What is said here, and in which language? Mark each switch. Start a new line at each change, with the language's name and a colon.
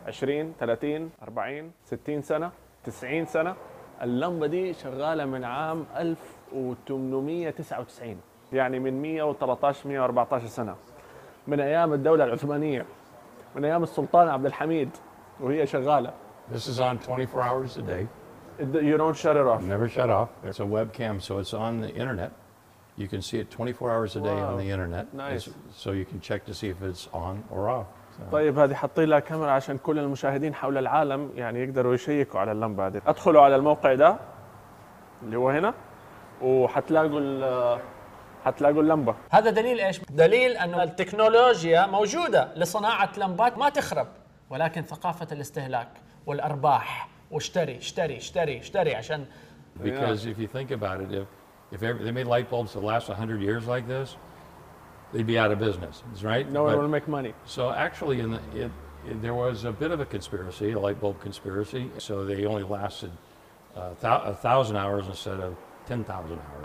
Arabic: 20, 30, 40, 60 سنة, 90 سنة. اللمبة دي شغالة من عام 1899, يعني من 113-114 سنة, من أيام الدولة العثمانية, من أيام السلطان عبد الحميد, وهي شغالة.
English: This is on 24 hours a day. You don't shut it off. Never shut off. It's a webcam, so it's on the internet. You can see it 24 hours a day. Wow. On the internet. Nice. So you can check to see if it's on or off.
Arabic: طيب هذه حطينا كاميرا عشان كل المشاهدين حول العالم يعني يقدروا يشيكوا على اللمبة هذه. أدخلوا على الموقع ده اللي هو هنا وحتلاقوا ال هتلاقوا اللمبة. هذا دليل إيش؟ دليل أنه التكنولوجيا موجودة لصناعة لمبات ما تخرب, ولكن ثقافة الاستهلاك والأرباح واشتري اشتري اشتري اشتري عشان.
English: Because if you think about it, if they made light bulbs that last 100 years like this, they'd be out of business, right? No one would make money. So actually, there was a bit of a conspiracy, a light bulb conspiracy. So they only lasted 1,000 hours instead of 10,000 hours.